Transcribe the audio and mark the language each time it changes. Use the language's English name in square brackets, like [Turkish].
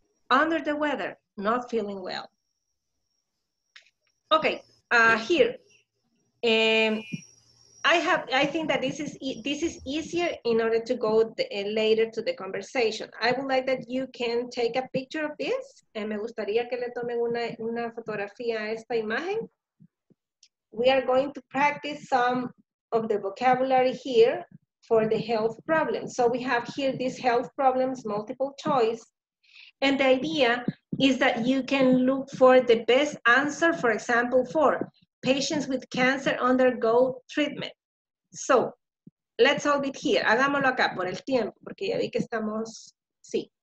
[English] under the weather, not feeling well. Okay, here. I think that this is easier in order to go later to the conversation. I would like that you can take a picture of this. [Spanish] Me gustaría que le tomen una fotografía a esta imagen. [English] We are going to practice some of the vocabulary here for the health problems. So we have here these health problems, multiple choice. And the idea is that you can look for the best answer, for example, for patients with cancer undergo treatment. So, let's hold it here. [Spanish] Hagámoslo acá por el tiempo, porque ya vi que estamos, sí.